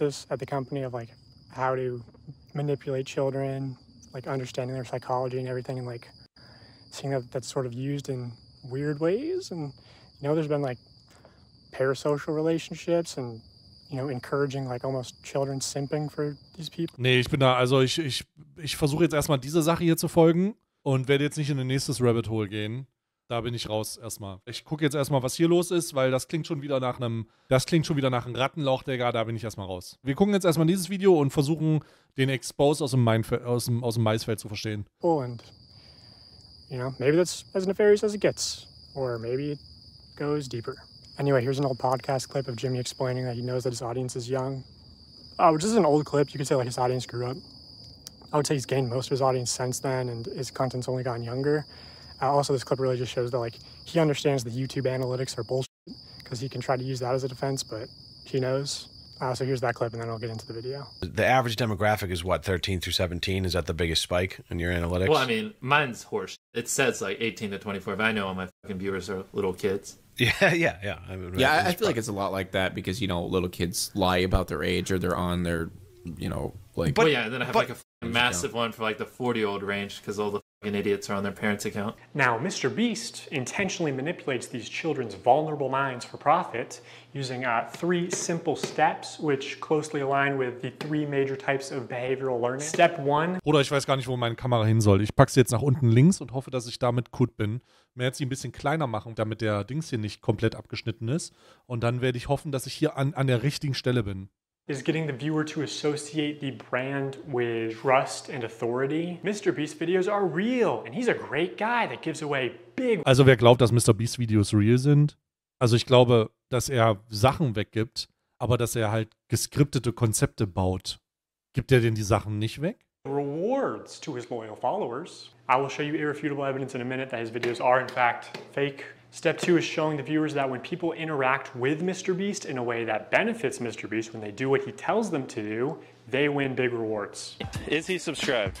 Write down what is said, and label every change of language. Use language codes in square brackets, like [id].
[en] At the company of, like, how to manipulate children, like, understanding their psychology and everything, and, like, seeing that that's sort of used in weird ways. And, you know, there's been, like, parasocial relationships and, you know, encouraging, like, almost children simping for these people. [de] Nee, ich bin da, also ich versuche jetzt erstmal dieser Sache hier zu folgen und werde jetzt nicht in ein nächstes Rabbit Hole gehen. Da bin ich raus erstmal. Ich gucke jetzt erstmal, was hier los ist, weil das klingt schon wieder nach einem Rattenloch, Digga, da bin ich erstmal raus. Wir gucken jetzt erstmal dieses Video und versuchen, den Expose aus dem Maisfeld zu verstehen. [en] Und, you know, maybe that's as nefarious as it gets. Or maybe it goes deeper. Anyway, here's an old podcast clip of Jimmy explaining that he knows that his audience is young. Oh, which is an old clip. You could say, like, his audience grew up. I would say he's gained most of his audience since then, and his content's only gotten younger. Also, this clip really just shows that, like, he understands the YouTube analytics are bullshit, because he can try to use that as a defense, but he knows. So here's that clip, and then I'll get into the video. The average demographic is what, 13 through 17? Is that the biggest spike in your analytics? Well, I mean, mine's horse. It says, like, 18 to 24, but I know all my fucking viewers are little kids. Yeah. I feel like it's a lot like that because, you know, little kids lie about their age or they're on their, you know, like... But, well, yeah, and then I have, like, a massive one for, like, the 40-year-old range because all the fucking idiots are on their parents' account. Now, Mr. Beast intentionally manipulates these children's vulnerable minds for profit using three simple steps, which closely align with the three major types of behavioral learning. Step one... [de] Bruder, ich weiß gar nicht, wo meine Kamera hin soll. Ich packe sie jetzt nach unten links und hoffe, dass ich damit gut bin. Mehr jetzt sie ein bisschen kleiner machen, damit der Dings hier nicht komplett abgeschnitten ist. Und dann werde ich hoffen, dass ich hier an der richtigen Stelle bin. [en] is getting the viewer to associate the brand with trust and authority. Mr. Beast videos are real, and he's a great guy that gives away big... [de] Also, wer glaubt, dass Mr. Beast Videos real sind? Also, ich glaube, dass er Sachen weggibt, aber dass er halt geskriptete Konzepte baut. Gibt er denn die Sachen nicht weg? [en] Rewards to his loyal followers. I will show you irrefutable evidence in a minute that his videos are in fact fake. Step 2 is showing the viewers that when people interact with Mr. Beast in a way that benefits Mr. Beast, when they do what he tells them to do, they win big rewards. Is he subscribed?